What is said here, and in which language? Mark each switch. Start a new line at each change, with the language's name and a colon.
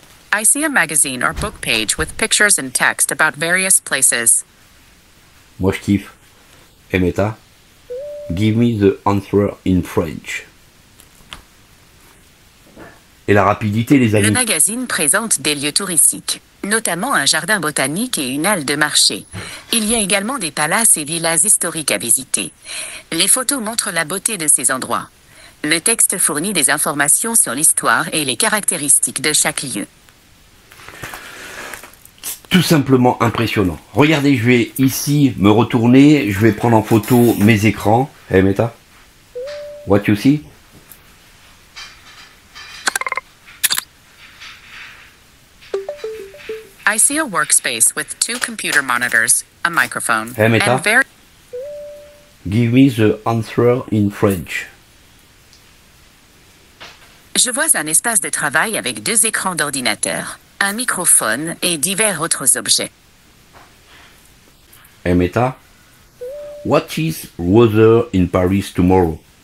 English: I see a magazine or book page with pictures and text about various places.
French: Moi, je kiffe.
English: Et Meta, give me the answer in French.
French: Et la rapidité, les amis. Le magazine présente des lieux touristiques, notamment un jardin botanique et une halle de marché. Il y a également des palaces et villas historiques à visiter. Les photos montrent la beauté de ces endroits. Le texte fournit des informations sur l'histoire et les caractéristiques de chaque lieu. Tout simplement impressionnant. Regardez, je vais ici me retourner, je vais prendre en photo mes écrans.
English: Hey Meta, what you see? I see a workspace with two computer monitors, a microphone, hey Meta, and very... Give me the answer in French.
French: Je vois un espace de travail avec deux écrans d'ordinateur, un microphone et divers autres objets.
English: Hey Meta, what is weather in Paris tomorrow?